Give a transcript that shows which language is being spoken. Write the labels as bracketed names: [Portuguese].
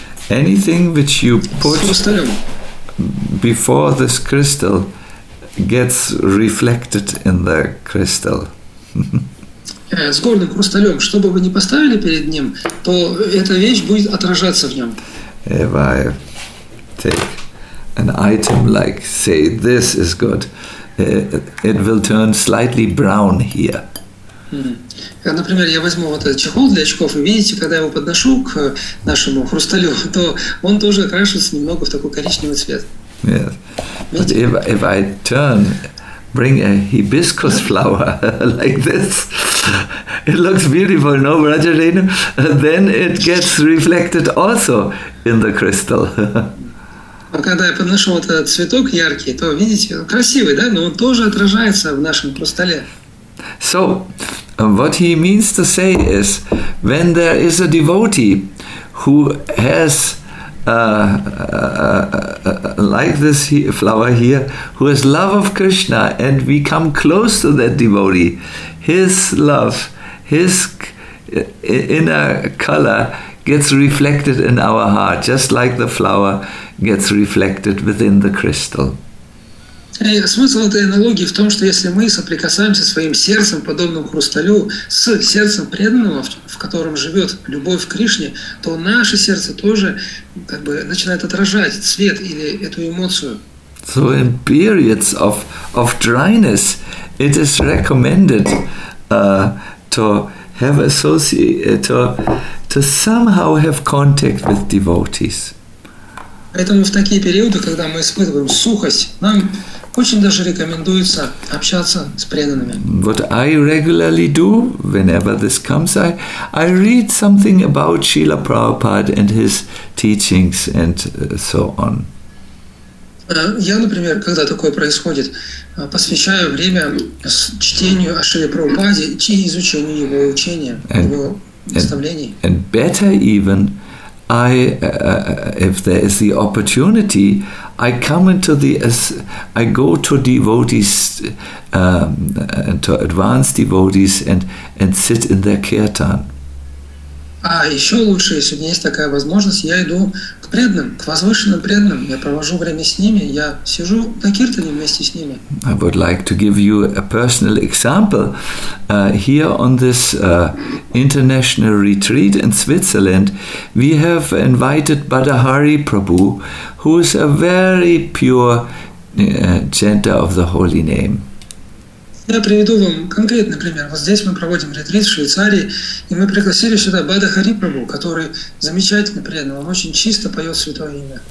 [English] Anything which you put before this crystal gets reflected in the crystal. [Russian] С горным хрусталем, что бы вы ни поставили перед ним, то эта вещь будет отражаться в нем. [English] If I take an item like, say, this is good, it will turn slightly brown here. [Russian] Например, я возьму вот этот чехол для очков, и видите, когда я его подношу к нашему хрусталю, то он тоже окрашивается немного в такой коричневый цвет. [English] Yes. But if I turn, bring a hibiscus flower like this, it looks beautiful, no, Rajarena? Then it gets reflected also in the crystal. [Russian] А когда я подношу вот этот цветок яркий, то, видите, он красивый, да? Но он тоже отражается в нашем хрустале. [English] So, what he means to say is, when there is a devotee who has like this flower here, who has love of Krishna, and we come close to that devotee, his love, his inner color gets reflected in our heart, just like the flower gets reflected within the crystal. [Russian] Смысл этой аналогии в том, что если мы соприкасаемся своим сердцем, подобным хрусталю, с сердцем преданного, в котором живет любовь к Кришне, то наше сердце тоже как бы начинает отражать цвет или эту эмоцию. [English] So in periods of dryness, it is recommended to have associate, to somehow have contact with devotees. [Russian] Поэтому в такие периоды, когда мы испытываем сухость, нам очень даже рекомендуется общаться с преданными. [English] What I regularly do, whenever this comes, I read something about Srila Prabhupada and his teachings and so on. [Russian] Я, например, когда такое происходит, посвящаю время чтению о Шриле Прабхупаде и изучению его учения, его наставлений. [English] And better even, if there is the opportunity, I come into I go to devotees, to advanced devotees, and sit in their kirtan. [Russian] А еще лучше, если у меня есть такая возможность, я иду к преданным, к возвышенным преданным. Я провожу время с ними, я сижу на киртане вместе с ними. [English] I would like to give you a personal example. Here on this international retreat in Switzerland, we have invited Badahari Prabhu, who is a very pure chanter of the holy name. [Russian] Я приведу вам конкретный пример. Вот здесь мы проводим ретрит в Швейцарии, и мы пригласили сюда Бадахари Прабху, который замечательный преданный, он очень чисто поет святое имя.